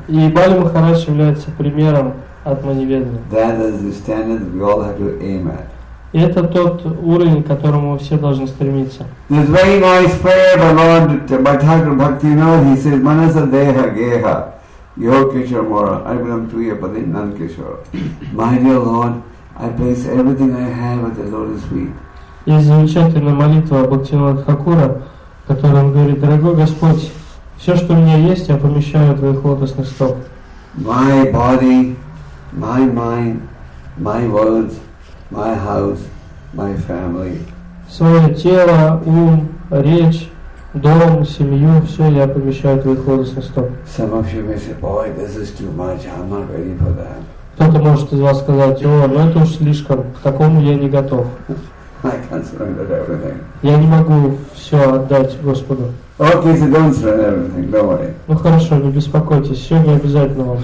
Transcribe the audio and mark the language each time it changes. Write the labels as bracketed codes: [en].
[ru] И Бали Махарадж является примером Атмоневеданам. [en] That is the standard that we all have to aim at. [ru] И это тот уровень, к которому все должны стремиться. [en] This very nice prayer by Lord Bhaktivinoda Bhakti, he says, [bn] Manasa Deha Geha, Yo Kishore Mora, [en] I belong to you, but in Nan Kishore. My dear Lord, I place everything I have at the Lord's feet. [ru] Есть замечательная молитва Бхактивинода Тхакура, в которой он говорит: «Дорогой Господь, все, что у меня есть, я помещаю в Твоих лотосных стоп». [en] My body, my mind, my words, my house, my family. [ru] Своё тело, ум, речь, дом, семью, все я помещаю в твои лотосные стопы. [en] Some of you may say, boy, this is too much, I'm not ready for that. [ru] Кто-то может из вас сказать: о, но это уж слишком, к такому я не готов. [en] I can't surrender everything. [ru] Я не могу все отдать Господу. [en] Okay, so don't surrender everything, don't worry. [ru] Ну хорошо, не беспокойтесь, все не обязательно вам